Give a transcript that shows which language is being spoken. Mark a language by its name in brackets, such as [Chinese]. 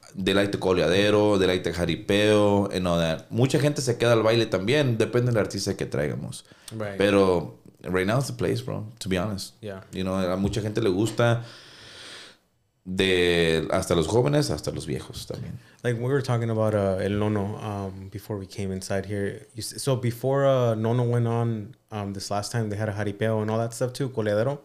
[English] They like the coleadero, they like the jaripeo, and all that. [Spanish] Mucha gente se queda al baile también, depende del artista que traigamos. [English] Right. Pero right now it's the place, bro, to be honest. Yeah. You know, [Spanish] a mucha gente le gusta, de hasta los jóvenes, hasta los viejos también. [English] Like, we were talking about El Nono before we came inside here. So before Nono went on this last time, they had a jaripeo and all that stuff too, coleadero?